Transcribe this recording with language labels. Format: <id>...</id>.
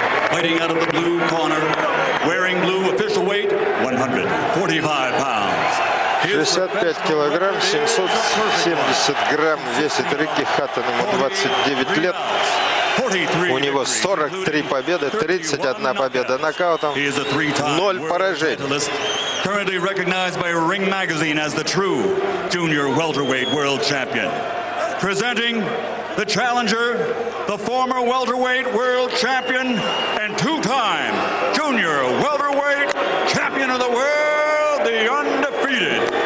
<en>Fighting out of the blue corner, wearing blue, official weight 145 pounds.</en> <ru>65 килограмм, 770 грамм весит Рикки Хаттон, ему 29 лет. У него 43 победы, 31 победа нокаутом, 0 поражений.</ru> <en>Currently recognized by Ring Magazine as the true junior welterweight world champion. Presenting the challenger, the former welterweight world champion and two-time junior welterweight champion of the world, the undefeated.</en>